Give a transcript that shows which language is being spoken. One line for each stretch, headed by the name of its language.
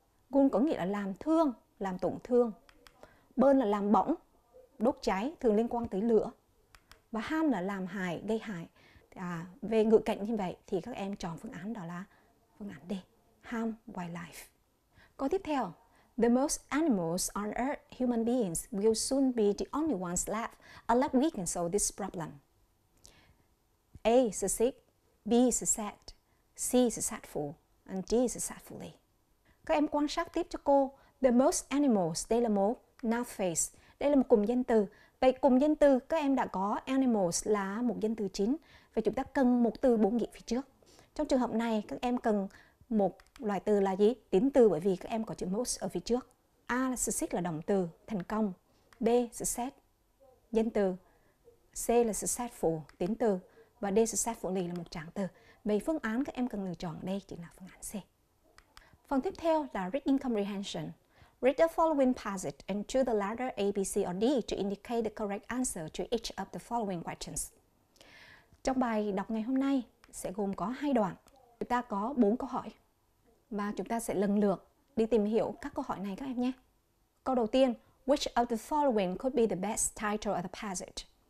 Vietnamese: Wound có nghĩa là làm thương, làm tổn thương. Burn là làm bỏng, đốt cháy, thường liên quan tới lửa. Và harm là làm hại, gây hại. Về ngữ cảnh như vậy thì các em chọn phương án đó là phương án D,
English: harm wildlife.
Vietnamese: Câu tiếp theo,
English: the most animals on earth, human beings, will soon be the only ones left unless we can solve this problem. A. Succeed. B. Succeed. C. Successful. And D. Successfully.
Vietnamese: Các em quan sát tiếp cho cô.
English: The most animals,
Vietnamese: đây là một
English: noun phrase.
Vietnamese: Đây là một cụm danh từ. Vậy cụm danh từ các em đã có animals là một danh từ chính. Vậy chúng ta cần một từ bổ nghĩa phía trước. Trong trường hợp này, các em cần một loại từ là gì? Tín từ, bởi vì các em có chữ most ở phía trước. A là success là động từ, thành công. B, success, danh từ. C là successful, tín từ. Và D, successfully là một trạng từ. Vậy phương án các em cần lựa chọn đây chính là phương án C. Phần tiếp theo là
English: reading comprehension. Read the following passage and choose the letter A, B, C or D to indicate the correct answer to each of the following questions.
Vietnamese: Trong bài đọc ngày hôm nay sẽ gồm có hai đoạn. Chúng ta có 4 câu hỏi và chúng ta sẽ lần lượt đi tìm hiểu các câu hỏi này các em nhé. Câu đầu tiên,
English: which of the following could be the best title of the passage?